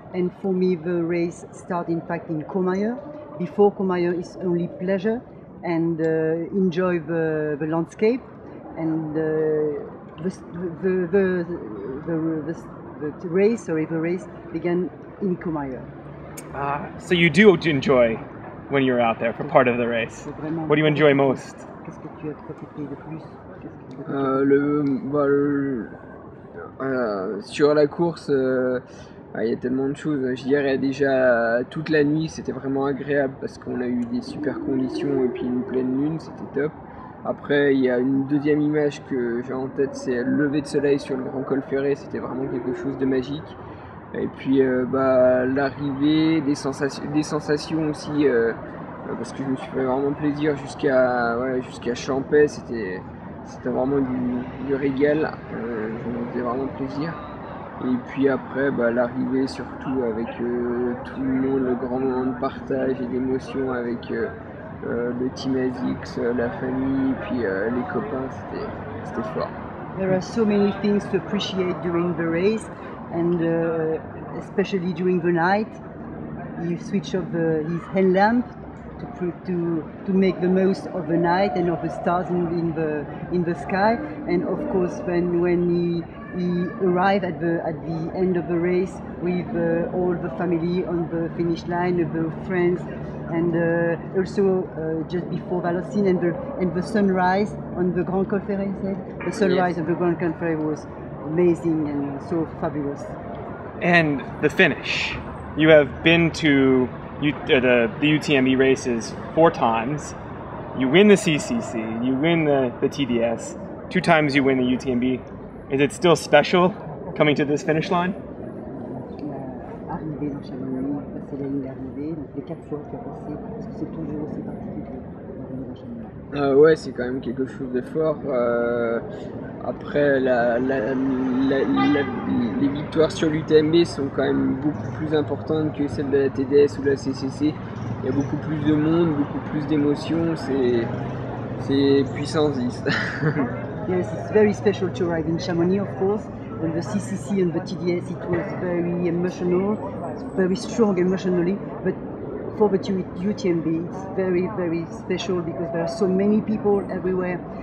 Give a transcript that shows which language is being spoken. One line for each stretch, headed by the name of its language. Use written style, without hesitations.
English: And for me, the race starts in fact in Courmayeur. Before Courmayeur, it's only pleasure and enjoy the landscape. And the race began in Courmayeur. So you do enjoy when you're out there for part of the race. What do you enjoy most?
French: Qu'est-ce que tu as profité de plus? Sur la course, il y a tellement de choses. Je dirais déjà toute la nuit, c'était vraiment agréable parce qu'on a eu des super conditions et puis une pleine lune, c'était top. Après, il y a une deuxième image que j'ai en tête, c'est le lever de soleil sur le Grand Col Ferré, c'était vraiment quelque chose de magique. Et puis l'arrivée, des sensations aussi, parce que je me suis fait vraiment plaisir jusqu'à Champey, c'était vraiment du régal, je me faisais vraiment plaisir. Et puis après, l'arrivée surtout avec tout le monde, le grand moment de partage et d'émotion avec le Team Asics, la famille, et puis les copains, c'était fort.
English: There are so many things to appreciate during the race, and especially during the night. You switch off his hand lamp. To make the most of the night and of the stars in the sky, and of course when he arrived at the end of the race with all the family on the finish line, the friends, and also just before Valorcine and the sunrise on the Grand Col Ferret, of the Grand Col Ferret was amazing and so fabulous. And the finish, you have been to. The UTMB races four times, you win the CCC, you win the TDS, two times you win the UTMB. Is it still special coming to this finish line?
French: Arriver dans Chamonix, passer la ligne d'arrivée, donc les quatre fois que tu as passé, parce que c'est toujours aussi particulier. Ouais, c'est quand même quelque chose de fort. Après, les victoires sur l'UTMB sont quand même beaucoup plus importantes que celles de la TDS ou de la CCC. Il y a beaucoup plus de monde, beaucoup plus d'émotions, c'est puissance 10.
English: Yes, it's very special to ride in Chamonix, of course. And the CCC and the TDS, it was very emotional, very strong emotionally. But for the UTMB, it's very, very special because there are so many people everywhere.